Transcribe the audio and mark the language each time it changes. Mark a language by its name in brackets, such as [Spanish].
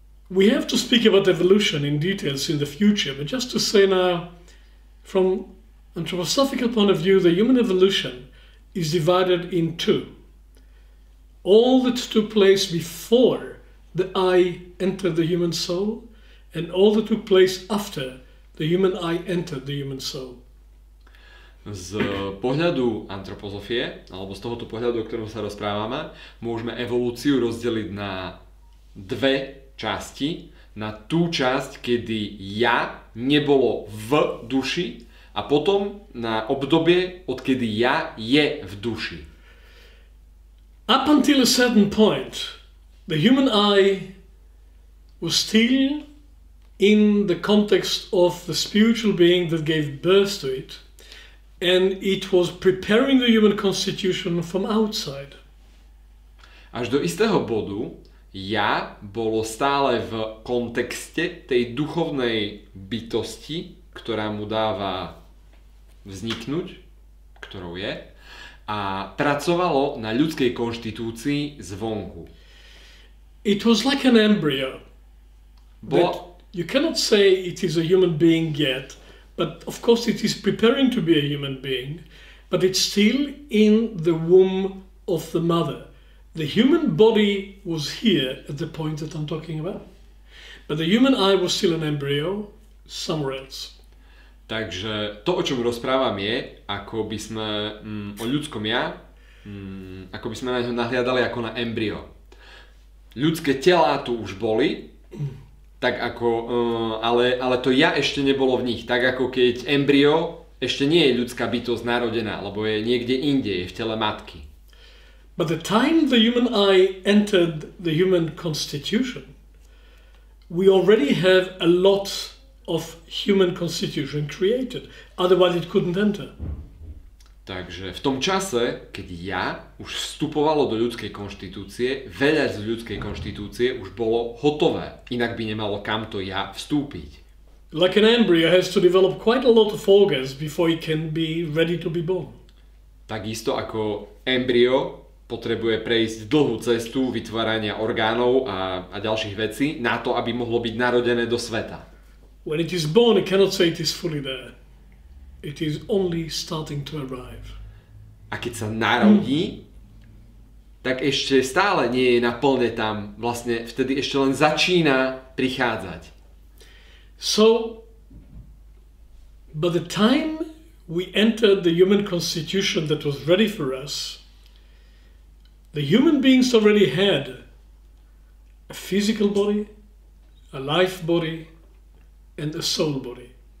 [English] We have to speak about evolution in details in the future, but just to say now, from anthroposophical point of view, the human evolution is divided in two. All that took place before the eye entered the human soul, and all that took place after The human eye entered the human soul. [Slovak] Z pohľadu antropozofie, alebo z tohoto pohľadu, o ktorom sa rozprávame, môžeme evolúciu rozdeliť na dve časti. Na tú časť, kedy ja nebolo v duši, a potom na obdobie, odkedy ja je v duši. [English] Up until a certain point, the human eye was still in the context of the spiritual being that gave birth to it, and it was preparing the human constitution from outside. [Slovak] Až do istého bodu ja bolo stále v kontexte tej duchovnej bytosti, ktorá mu dáva vzniknúť, ktorou je, a pracovalo na ľudskej konštitúcii zvonku. [English] It was like an embryo. You cannot say it is a human being yet, but of course it is preparing to be a human being, but it's still in the womb of the mother. The human body was here at the point that I'm talking about, but the human eye was still an embryo somewhere else. [Slovak] Takže to, o čom rozprávam, je, ako by sme o ľudskom ja, ako by sme na neho nahliadali ako na embryo. Ľudské tela tu už boli, tak ako, ale to ja ešte nebolo v nich. Tak ako keď embryo ešte nie je ľudská bytosť narodená, lebo je niekde inde, je v tele matky. [English] But the time the human eye entered the human constitution, we already have a lot of human constitution created, otherwise it couldn't enter. [Slovak] Takže v tom čase, keď ja už vstupovalo do ľudskej konštitúcie, veľa z ľudskej konštitúcie už bolo hotové, inak by nemalo kam to ja vstúpiť. [English] Like an embryo has to develop quite a lot of organs before it can be ready to be born. [Slovak] Takisto ako embryo potrebuje prejsť dlhú cestu vytvárania orgánov a ďalších vecí na to, aby mohlo byť narodené do sveta. [English] When it is born, it cannot say it is fully there. It is only starting to arrive. [Slovak] A keď sa narodí, tak ešte stále nie je naplne tam. Vlastne vtedy ešte len začína prichádzať. [English] So, by the time we entered the human constitution that was ready for us, the human beings already had a physical body, a life body, and a soul body.